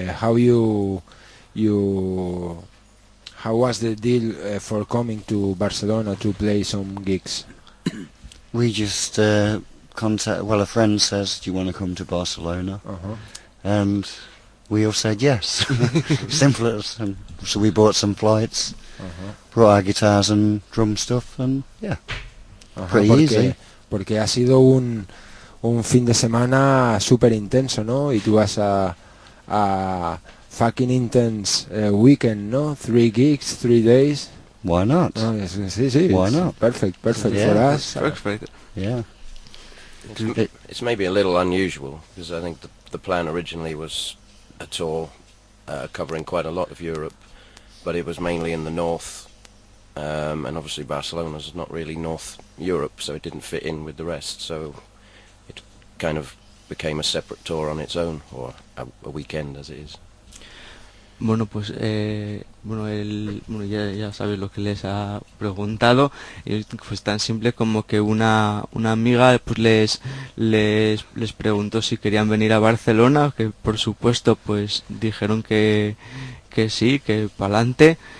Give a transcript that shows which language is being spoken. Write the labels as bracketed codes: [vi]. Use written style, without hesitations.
[en] How you how was the deal for coming to Barcelona to play some gigs? We just a friend says, "Do you want to come to Barcelona?" Uh-huh. And we all said yes. Simple as, and so we bought some flights, uh-huh, brought our guitars and drum stuff, and yeah. [es] Ajá, porque ha sido un fin de semana súper intenso, ¿no? Y tú vas a [en] fucking intense weekend, [es] ¿no? [en] 3 gigs, 3 days. Why not? [es] No, sí. [en] Why not? Perfect yeah, for us. Perfect. Yeah. It's maybe a little unusual, because I think the plan originally was a tour covering quite a lot of Europe, but it was mainly in the north. And obviously Barcelona's not really North Europe, so it didn't fit in with the rest, so it kind of became a separate tour on its own, or a weekend as it is. [es] Bueno, pues ya sabes lo que les ha preguntado, y pues tan simple como que una amiga pues les preguntó si querían venir a Barcelona, que por supuesto pues dijeron que sí, que pa'lante.